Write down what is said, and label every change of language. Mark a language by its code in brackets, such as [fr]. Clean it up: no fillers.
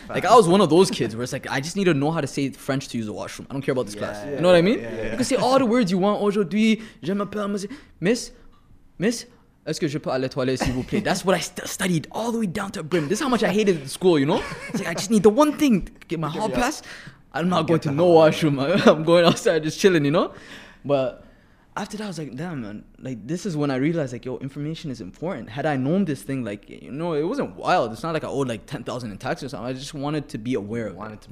[en] Like, I was one of those kids where it's like, I just need to know how to say French to use the washroom. I don't care about this class. You know what I mean? You can say all the words you want. [fr] Aujourd'hui, je m'appelle Miss, est-ce que je peux aller toilet, s'il vous plaît? [en] That's what I studied all the way down to a brim. This is how much I hated school, you know? It's like, I just need the one thing. Get my hall pass. I'm not going to no washroom. I'm going outside just chilling, you know? But after that, I was like, damn, man. Like, this is when I realized, like, yo, information is important. Had I known this thing, like, you know, it wasn't wild. It's not like I owed, like, 10,000 in taxes or something. I just wanted to be aware of it.